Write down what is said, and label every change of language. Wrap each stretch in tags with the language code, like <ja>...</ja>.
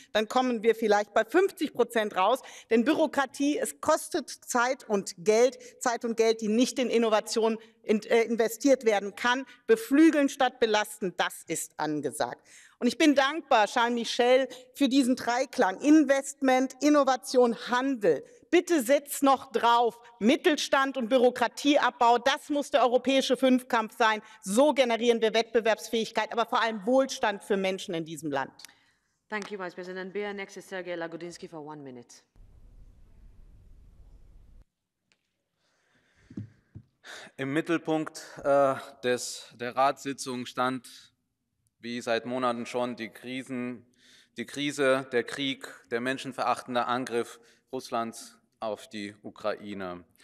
<de>Dann kommen wir vielleicht bei 50% raus. Denn Bürokratie, es kostet Zeit und Geld. Zeit und Geld, die nicht in Innovation investiert werden kann. Beflügeln statt belasten, das ist angesagt. Und ich bin dankbar, Charles Michel, für diesen Dreiklang. Investment, Innovation, Handel. Bitte setzt noch drauf. Mittelstand und Bürokratieabbau, das muss der europäische Fünfkampf sein. So generieren wir Wettbewerbsfähigkeit, aber vor allem Wohlstand für Menschen in diesem Land.</de> <en>Thank you, Vice President Beer. Next is Sergei Lagodinsky for 1 minute.</en> <de>Im Mittelpunkt der Ratssitzung stand, wie seit Monaten schon, die Krise, der Krieg, der menschenverachtende Angriff Russlands auf die Ukraine.</de>